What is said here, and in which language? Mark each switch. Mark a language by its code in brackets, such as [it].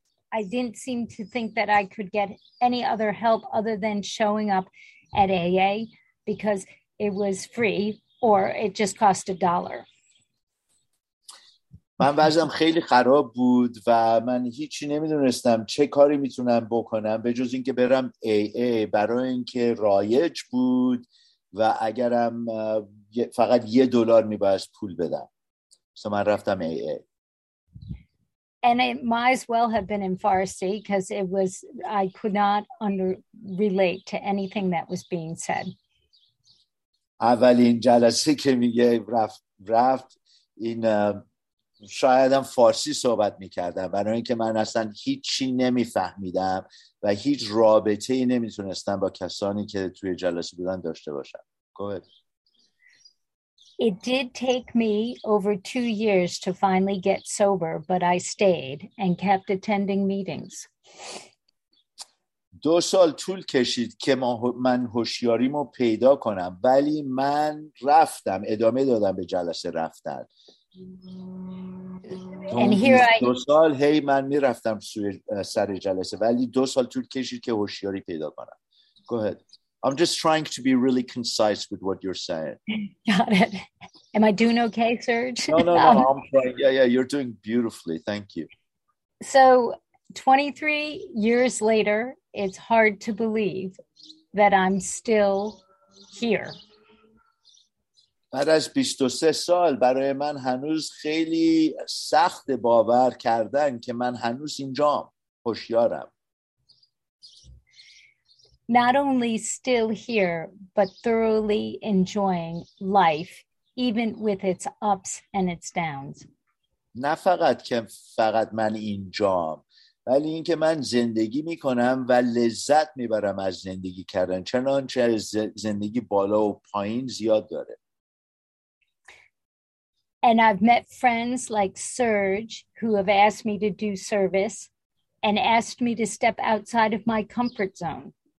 [en] I didn't seem to think that I could get any other help other than showing up at AA because it was free or it just cost a dollar. [fa] من وضعم خیلی خراب بود و من هیچی نمیدونستم چه کاری میتونم بکنم به جز اینکه برم AA، برای اینکه رایج بود و اگرم فقط یه دلار میبایست پول بدم. [en] So [fa] من رفتم AA. [en] And it might as well have been in Farsi because it was, I could not relate to anything that was being said. [fa] اولین جلسه که میگه رفت این شاید هم فارسی صحبت میکردم، برای اینکه من اصلا هیچی نمیفهمیدم و هیچ رابطه ای نمیتونستم با کسانی که توی جلسه بودن داشته باشم. [en] Go ahead. It did take me over 2 years to finally get sober, but I stayed and kept attending meetings. [fa] 2 سال طول کشید که من هوشیاریمو پیدا کنم، ولی من رفتم، ادامه دادم به جلسه رفتن. [en] And here I [fa] 2 سال هی من میرفتم سر جلسه، ولی 2 سال طول کشید که هوشیاری پیدا کنم. [en] Go ahead. I'm just trying to be really concise with what you're saying. Got it. Am I doing okay, Serge? No. I'm fine. Yeah, you're doing beautifully. Thank you. So 23 years later, it's hard to believe that I'm still here. [fa] بعد از 23 سال برای من هنوز خیلی سخت باور کردن که من هنوز اینجام، هوشیارم. [en] Not only still here, but thoroughly enjoying life, even with its ups and its downs. [fa] نه فقط که فقط من اینجام، ولی اینکه من زندگی میکنم و لذت میبرم از زندگی کردن، چنانچه زندگی بالا و پایین زیاد داره. [en] And I've met friends like Serge who have asked me to do service and asked me to step outside of my comfort zone.